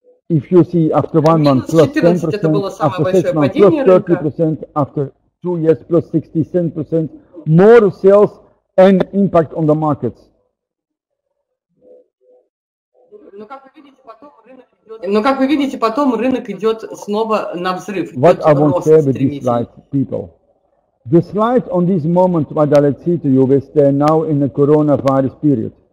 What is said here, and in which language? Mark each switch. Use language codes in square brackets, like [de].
[en] If you see after 1 month plus 10%, after 6 months plus 30%, after 2 years plus 67%, more sales and impact on the markets. [ru] Но как вы видите, потом рынок идет снова на взрыв. [en] What I want to say with this slide, people. The slide on this moment, what I let see to you, is they're now in the coronavirus period.